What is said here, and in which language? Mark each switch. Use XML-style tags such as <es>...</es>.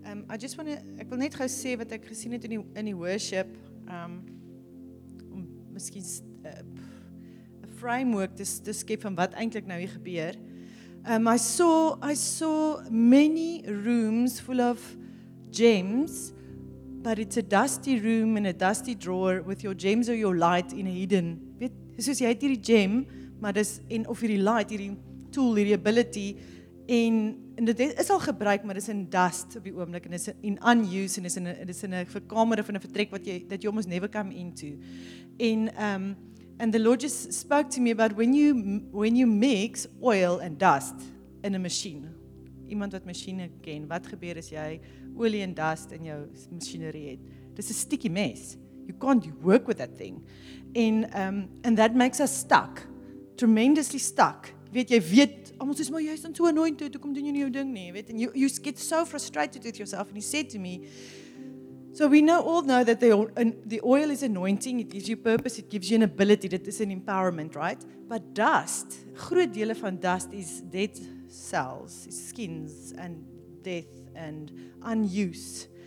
<en>I just want to</en> <af>ek wil net gou sê wat ek gesien het in die worship om miskien 'n framework te skep van wat eintlik nou hier gebeur.</af> <en>I saw many rooms full of gems, but it's a dusty room in a dusty drawer with your gems or your light in a hidden.</en> <af>Weet, soos jy het hierdie gem, maar dis en of hierdie light, hierdie tool, hierdie ability en dit is al gebruik, maar dis in dust op die oomblik en dis in unused en dis in 'n verkamer of 'n vertrek wat jy</af> <en>almost never come into. And the Lord just spoke to me about when you mix oil and dust in a machine.</en> <af>Iemand wat masjiene ken, wat gebeur as jy olie en dust in jou masjinerie het? Dis 'n</af> <en>sticky mess. You can't work with that thing. And that makes us stuck. Tremendously stuck.</en> <af>Jy weet, almal sê maar jy's dan so anointed, hoekom doen jy nie jou ding nie?</af> <en>Weet, and you get so frustrated with yourself and he said to me, so we all know that the oil is anointing, it gives you purpose, it gives you an ability, that is an empowerment, right? But dust,</en> <af>groot dele van</af> <en>dust is dead cells, is skins and death and unused.</en>